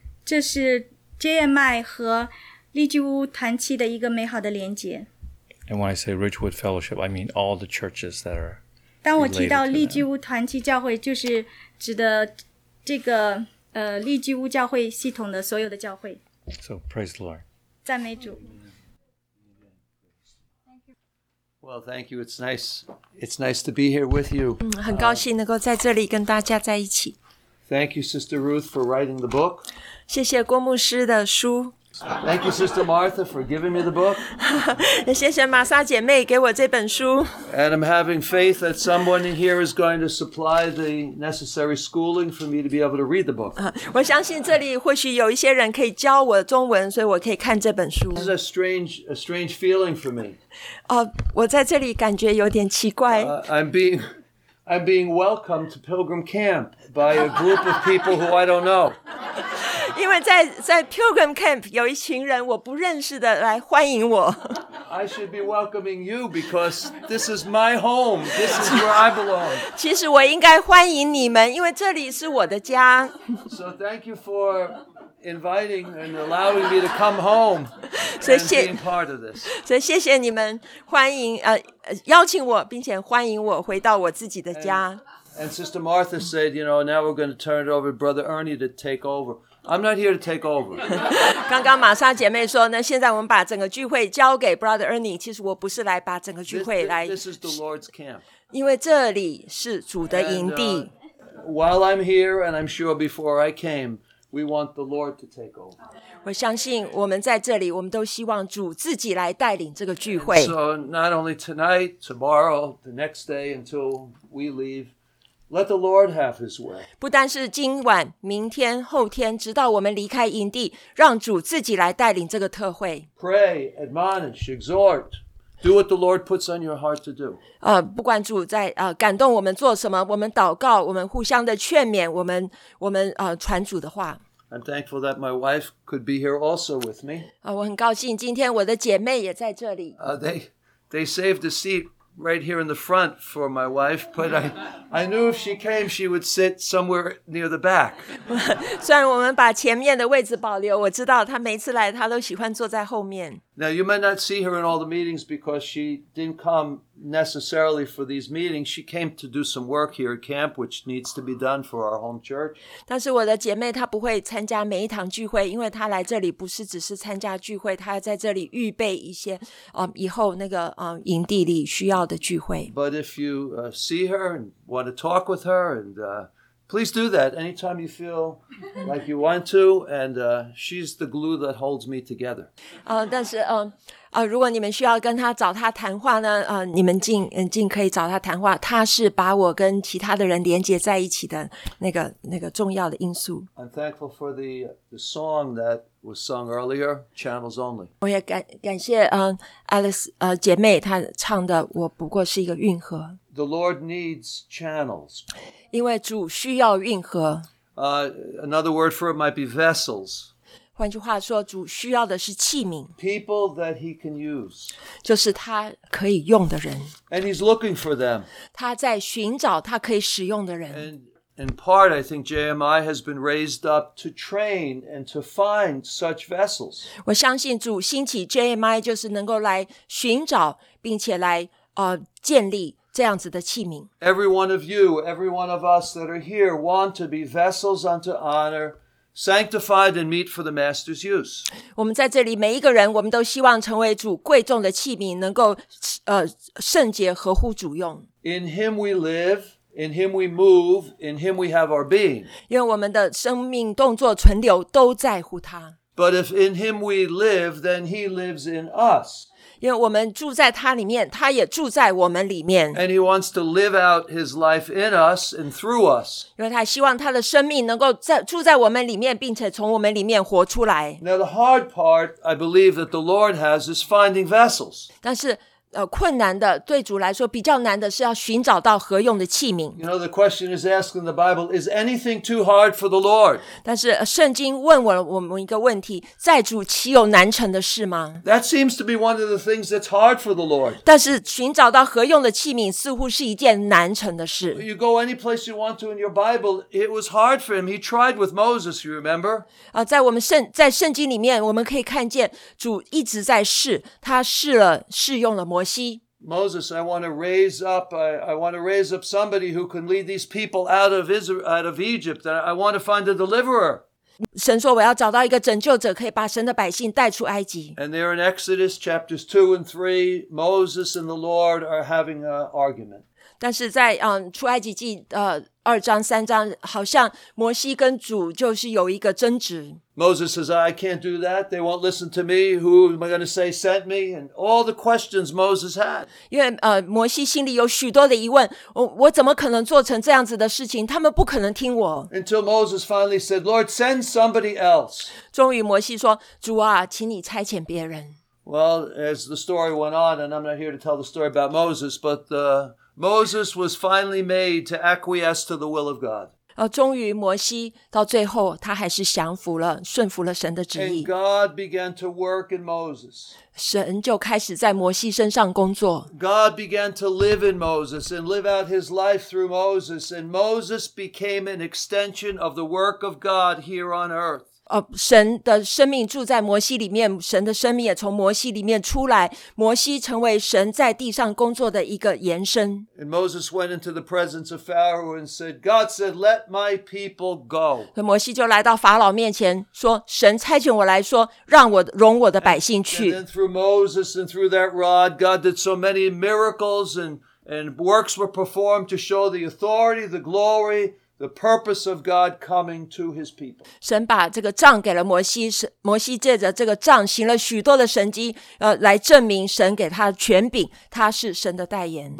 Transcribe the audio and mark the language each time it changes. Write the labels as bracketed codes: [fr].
[zh] 这是 JMI 和利基屋团契的一个美好的连接。 [en] And when I say Ridgewood Fellowship, I mean all the churches that are. [zh] 当我提到利基屋团契教会，就是指的这个利基屋教会系统的所有的教会。 [en] So praise the Lord. [zh] 赞美主。 [en] Well, thank you. It's nice. It's nice to be here with you. [zh] 很高兴能够在这里跟大家在一起。 [en] Thank you, Sister Ruth, for writing the book. [zh] 谢谢郭牧师的书。 [en] Thank you, Sister Martha, for giving me the book. [zh] 谢谢玛莎姐妹给我这本书。 [en] And I'm having faith that someone here is going to supply the necessary schooling for me to be able to read the book. [zh] 我相信这里或许有一些人可以教我中文，所以我可以看这本书。 [en] This is a strange feeling for me. [zh] 我在这里感觉有点奇怪。 [en] I'm being welcomed to Pilgrim Camp by a group of people who I don't know. [zh] 因为在 Pilgrim Camp 有一群人我不认识的来欢迎我。 [en] I should be welcoming you because this is my home. This is where I belong. [zh] 其实我应该欢迎你们，因为这里是我的家。 [en] So thank you for inviting and allowing me to come home and being part of this. [zh] 所以谢谢你们欢迎邀请我，并且欢迎我回到我自己的家。 [en] And Sister Martha said, you know, now we're going to turn it over to Brother Ernie to take over. I'm not here to take over. [zh] 刚刚玛莎姐妹说呢，现在我们把整个聚会交给 Brother Ernie。其实我不是来把整个聚会来。 [en] This is the Lord's camp. [zh] 因为这里是主的营地。 [en] While I'm here, and I'm sure before I came, we want the Lord to take over. [zh] 我相信我们在这里，我们都希望主自己来带领这个聚会。 [en] So not only tonight, tomorrow, the next day until we leave. Let the Lord have His way. [zh] 不单是今晚、明天、后天，直到我们离开营地，让主自己来带领这个特会。 [en] Pray, admonish, exhort. Do what the Lord puts on your heart to do. [zh] 不管主在感动我们做什么，我们祷告，我们互相的劝勉，我们传主的话。 [en] I'm thankful that my wife could be here also with me. [zh] 我很高兴今天我的姐妹也在这里。 [en] They saved a seat. Right here in the front for my wife, but I knew if she came, she would sit somewhere near the back. [zh] 虽然我们把前面的位置保留，我知道她每次来，她都喜欢坐在后面。 [en] Now you might not see her in all the meetings because she didn't come necessarily for these meetings. She came to do some work here at camp, which needs to be done for our home church. [zh] 但是我的姐妹她不会参加每一堂聚会，因为她来这里不是只是参加聚会，她要在这里预备一些以后那个营地里需要的聚会。 [en] But if you see her and want to talk with her and please do that anytime you feel like you want to, and she's the glue that holds me together. [zh] 但是如果你们需要跟她找她谈话呢，你们尽可以找她谈话。她是把我跟其他的人连接在一起的那个重要的因素。 [en] I'm thankful for the song that was sung earlier, Channels Only. [zh] 我也感谢Alice 姐妹她唱的《我不过是一个运河》。 [en] The Lord needs channels. [zh] 因为主需要运河。 [en] Another word for it might be vessels. [zh] 换句话说，主需要的是器皿。 [en] People that He can use. [zh] 就是他可以用的人。 [en] And He's looking for them. [zh] 他在寻找他可以使用的人。 [en] And in part, I think JMI has been raised up to train and to find such vessels. [zh] 我相信主兴起 JMI 就是能够来寻找并且来建立。 [en] Every one of you, every one of us that are here want to be vessels unto honor, sanctified and meet for the Master's use. [zh] 我们在这里每一个人，我们都希望成为主贵重的器皿，能够圣洁合乎主用。 [en] In Him we live. In Him we move, in Him we have our being. [zh] 因为我们的生命、动作、存留都在乎他。 [en] But if in Him we live, then He lives in us. [zh] 因为我们住在他里面，他也住在我们里面。 [en] And He wants to live out His life in us and through us. [zh] 因为他希望他的生命能够住在我们里面，并且从我们里面活出来。 [en] Now the hard part, I believe, that the Lord has is finding vessels. [zh] 但是困难的，对主来说比较难的是要寻找到合用的器皿。 [en] You know, the question is asked in the Bible, is anything too hard for the Lord? [zh] 但是圣经问我们一个问题，在主岂有难成的事吗？ [en] That seems to be one of the things that's hard for the Lord. [zh] 但是寻找到合用的器皿似乎是一件难成的事。 [en] You go any place you want to in your Bible, it was hard for him. He tried with Moses, you remember? [zh] 在我们在圣经里面，我们可以看见主一直在试，他试了，试用了摩西。 [en] Moses, I want to raise up somebody who can lead these people out of Israel, out of Egypt. I want to find a deliverer. [zh] 神说我要找到一个拯救者，可以把神的百姓带出埃及。 [en] And there in Exodus chapters 2 and 3, Moses and the Lord are having an argument. [zh] 但是在出埃及记二章三章，好像摩西跟主就是有一个争执。 [en] Moses says, I can't do that. They won't listen to me. Who am I going to say sent me? And all the questions Moses had. [zh] 因为摩西心里有许多的疑问，我怎么可能做成这样子的事情？他们不可能听我。 [en] Until Moses finally said, Lord, send somebody else. [zh] 终于摩西说，主啊，请你差遣别人。 [en] Well, as the story went on, and I'm not here to tell the story about Moses, but Moses was finally made to acquiesce to the will of God. [zh] 终于摩西到最后他还是降服了，顺服了神的旨意。 [en] And God began to work in Moses. [zh] 神就开始在摩西身上工作。 [en] God began to live in Moses and live out his life through Moses, and Moses became an extension of the work of God here on earth. [zh] 神的生命住在摩西里面，神的生命也从摩西里面出来，摩西成为神在地上工作的一个延伸。 [en] And Moses went into the presence of Pharaoh and said, God said, let my people go. [zh] 摩西就来到法老面前说，神差遣我来说，让我容我的百姓去。 [en] And then through Moses and through that rod, God did so many miracles and works were performed to show the authority, the glory,the purpose of God coming to his people. [zh] 神把这个杖给了摩西，摩西借着这个杖行了许多的神迹，来证明神给他的权柄，他是神的代言。